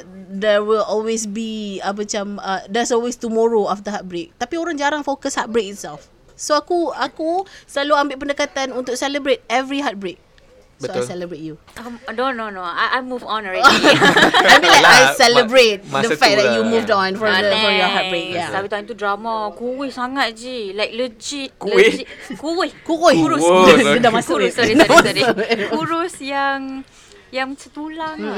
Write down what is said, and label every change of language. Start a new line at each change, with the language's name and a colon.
English: There will always be macam there's always tomorrow after heartbreak.
Malay: Tapi orang jarang fokus heartbreak itself. So aku selalu ambil pendekatan untuk
English: celebrate every heartbreak. Betul. So I celebrate you. No. I move on already. I mean like I celebrate the fact that you moved on from your heartbreak. Yeah.
Malay: Tapi time tu drama kuih sangat je.
English: Like legit.
Malay: Kuih. Kurus. Sudah masuk. Sorry. Kurus yang macam tulang